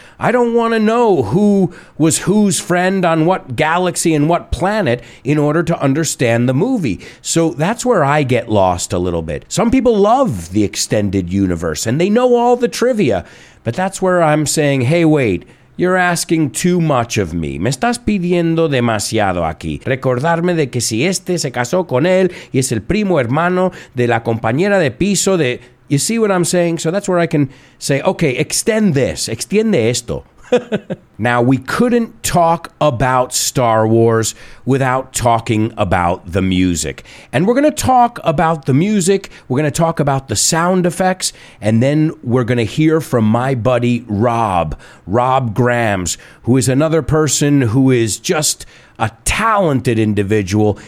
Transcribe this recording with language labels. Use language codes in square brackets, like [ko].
[en] I don't want to know who was whose friend on what galaxy and what planet in order to understand the movie. So that's where I get lost a little bit. Some people love the extended universe and they know all the trivia, but that's where I'm saying, hey, wait, you're asking too much of me. [es] Me estás pidiendo demasiado aquí. Recordarme de que si este se casó con él y es el primo hermano de la compañera de piso de... [en] You see what I'm saying? So that's where I can say, okay, extend this. [es] Extiende esto. [en] Now, we couldn't talk about Star Wars without talking about the music. And we're going to talk about the music, we're going to talk about the sound effects, and then we're going to hear from my buddy Rob Grams, who is another person who is just a talented individual.